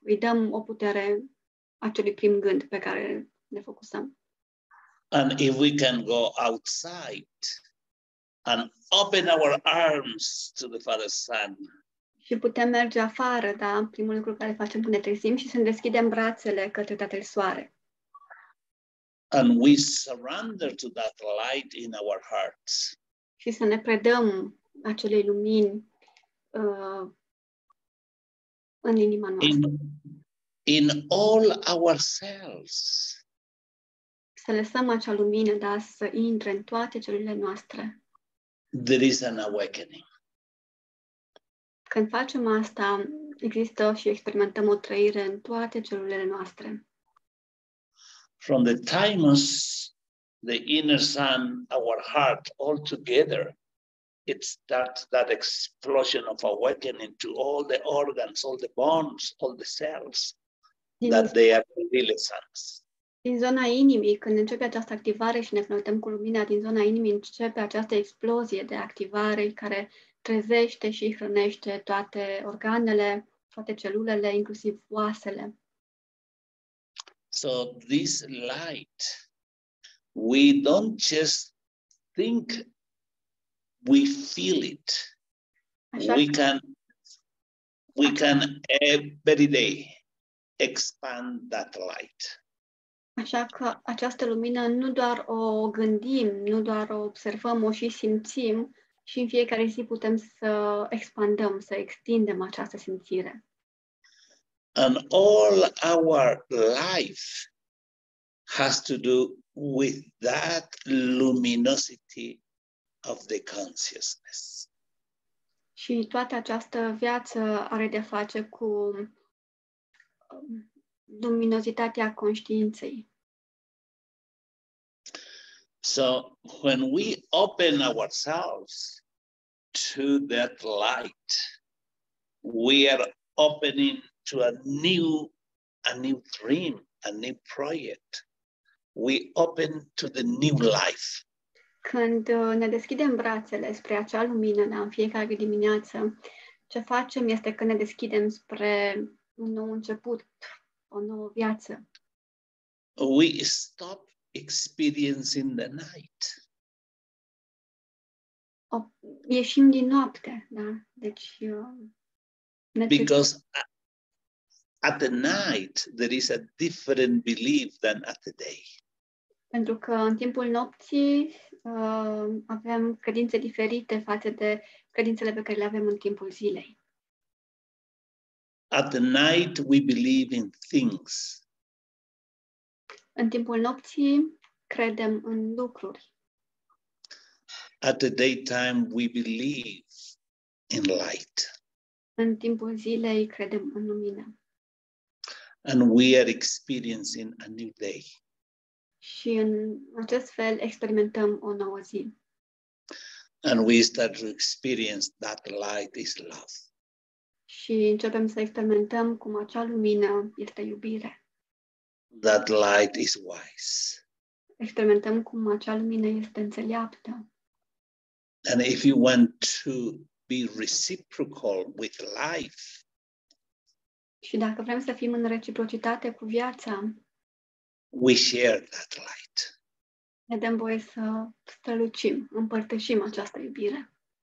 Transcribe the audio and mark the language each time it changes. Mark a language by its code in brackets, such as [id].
[ro] Îi dăm o putere acelui prim gând pe care ne focusăm. [en] And if we can go outside and open our arms to the Father Sun, [ro] și putem merge afară, da, primul lucru care facem când ne trezim și să ne deschidem brațele către Tatăl Soare. [en] And we surrender to that light in our hearts. [ro] Și să ne predăm acelei lumini în inima noastră. [en] In all ourselves. [ro] Să lăsăm acea lumină, da, să intre în toate celulele noastre. [en] There is an awakening. [ro] Când facem asta, există și experimentăm o trăire în toate celulele noastre. [en] From the thymus, the inner sun, our heart, all together, it starts that explosion of awakening to all the organs, all the bones, all the cells, din that they are really suns. [ro] Din zona inimii, când începe această activare și ne conectăm cu lumina, din zona inimii începe această explozie de activare care trezește și hrănește toate organele, toate celulele, inclusiv oasele. [en] So this light, we don't just think, we feel it. [ro] Așa [en] we can every day expand that light. [ro] Așa că această lumină nu doar o gândim, nu doar o observăm, o și simțim, și în fiecare zi putem să expandăm, să extindem această simțire. [en] And all our life has to do with that luminosity of the consciousness. [ro] Și toată această viață are de face cu luminozitatea conștiinței. [en] So when we open ourselves to that light, we are opening to a new dream, a new project. We open to the new life. [ro] Când ne deschidem brațele spre acea lumină, da, în fiecare dimineață, ce facem este că ne deschidem spre un nou început, o nouă viață. [en] We stop experiencing the night. [ro] Ieșim din noapte, da? Deci, [en] because at the night there is a different belief than at the day. [ro] Pentru că în timpul nopții avem credințe diferite față de credințele pe care le avem în timpul zilei. [en] At the night we believe in things. [ro] În timpul nopții credem în lucruri. [en] At the daytime, we believe in light. [ro] În timpul zilei credem în lumină. [en] And we are experiencing a new day. [ro] Și în acest fel experimentăm o nouă zi. [en] And we start to experience that light is love. [ro] Și începem să experimentăm cum acea lumină este iubire. [en] That light is wise. [ro] Experimentăm cum acea lumină este înțeleaptă. [en] And if you want to be reciprocal with life, [ro] Și dacă vrem să fim în reciprocitate cu viața, [en] we share that light. [ro] Ne dăm voie să strălucim, împărtășim această iubire.